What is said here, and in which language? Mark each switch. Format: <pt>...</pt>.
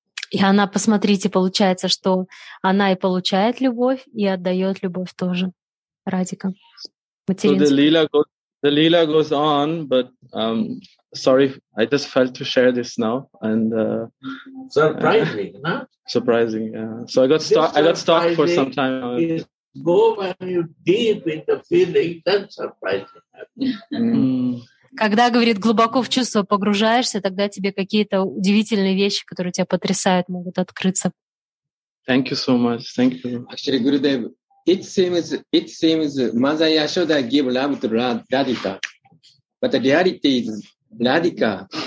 <ru>И она, посмотрите, получается, что она и получает любовь, и отдает любовь тоже Радика.</ru> <en>The Leela goes on, but sorry, I just felt to share this now. And Surprising, yeah. So I got stuck for some time. Go when you deep in the feeling, that's surprising.</en> <ru>Когда, говорит, глубоко в чувство погружаешься, тогда тебе какие-то удивительные вещи, которые тебя потрясают, могут открыться.</ru> <en>Thank you so much. Thank you. Actually, Gurudev. It seems Mother Yashoda give love to Radhika, but the reality is Radhika</en>